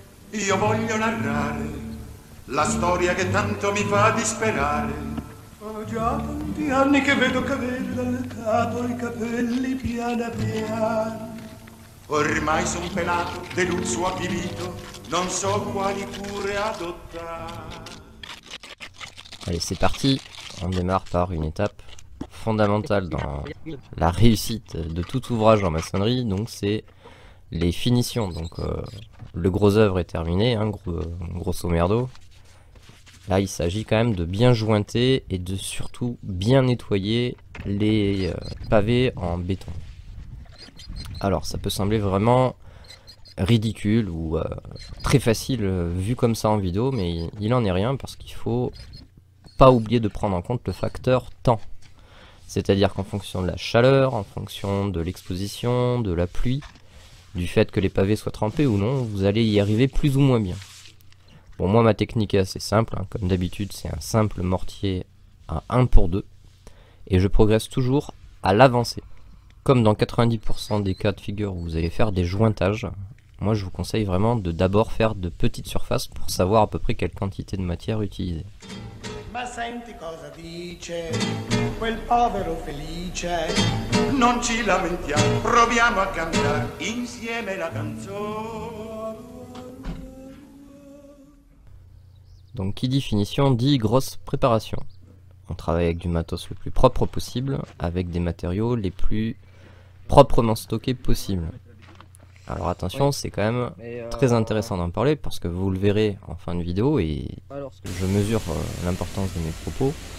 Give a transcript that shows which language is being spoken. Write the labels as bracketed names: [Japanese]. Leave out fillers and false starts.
[Italian] Io voglio narrare la storia che tanto mi fa disperare. Ho già tanti anni che vedo cadere dal capo i capelli piano piano. Ormai son pelato, deluso, avvilito, non so quali cure adottare. [French] Allez, c'est parti. On démarre par une étape fondamentale dans la réussite de tout ouvrage en maçonnerie, donc c'est les finitions. Donc le gros œuvre est terminé, hein, grosso merdo. Là, il s'agit quand même de bien jointer et de surtout bien nettoyer les pavés en béton. Alors, ça peut sembler vraiment ridicule ou très facile vu comme ça en vidéo, mais il en est rien parce qu'il faut pas oublier de prendre en compte le facteur temps. C'est-à-dire qu'en fonction de la chaleur, en fonction de l'exposition, de la pluie, du fait que les pavés soient trempés ou non, vous allez y arriver plus ou moins bien. Bon, moi ma technique est assez simple, hein. Comme d'habitude c'est un simple mortier à 1 pour 2, et je progresse toujours à l'avancée. Comme dans 90% des cas de figure où vous allez faire des jointages, moi je vous conseille vraiment de d'abord faire de petites surfaces pour savoir à peu près quelle quantité de matière utiliser. [Italian] Ma senti cosa dice quel povero felice. Non ci lamentiamo, proviamo a cantare insieme la canzone. [French] Donc qui dit finition dit grosse préparation. On travaille avec du matos le plus propre possible, avec des matériaux les plus proprement stockés possible. Alors attention, c'est quand même très intéressant d'en parler parce que vous le verrez en fin de vidéo et je mesure l'importance de mes propos.